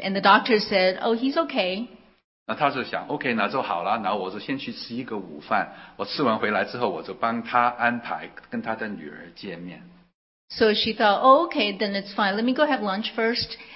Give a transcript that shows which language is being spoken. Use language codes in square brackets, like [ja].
[en] And the doctor said, oh, he's okay. [zh] 那他就想 ,OK, 那就好了。那我就先去吃一个午饭。我吃完回来之后，我就帮他安排跟他的女儿见面。 [en] So she thought, oh, okay, then it's fine. Let me go have lunch first.